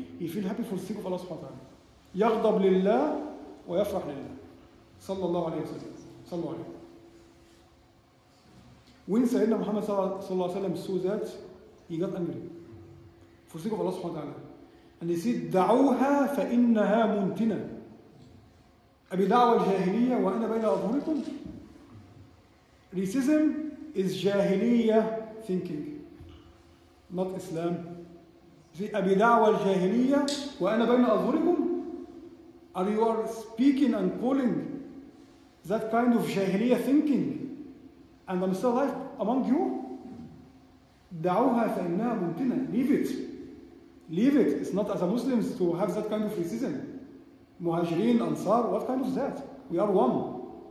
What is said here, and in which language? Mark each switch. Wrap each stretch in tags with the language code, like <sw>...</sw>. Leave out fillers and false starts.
<en>He feel happy for the sake of Allah Subhanahu Wa Taala.</en> <ar>يغضب لله ويفرح لله. صلى الله عليه وسلم. صلى الله عليه وسلم.</ar> <en>When Sayyidina Muhammad Sallallahu Alaihi Wasallam saw that, he got angry for the sake of Allah Subhanahu Wa Taala. And he said,</en> <ar>دعوها فإنها منتنة. أبي دعوة الجاهلية وأنا بين أظهركم.</ar> <en>Racism is jahiliya thinking, not Islam.</en> <ar>أبي دعوة الجاهلية وأنا بين أظهركم.</ar> <en>Are you are speaking and calling that kind of jahiliya thinking, and I'm still alive among you?</en> <ar>دعوها فإنها منتنة.</ar> <en>Leave it. Leave it. It's not as a Muslims to have that kind of racism. Muhajirin, Ansar, what kind of that? We are one.</en>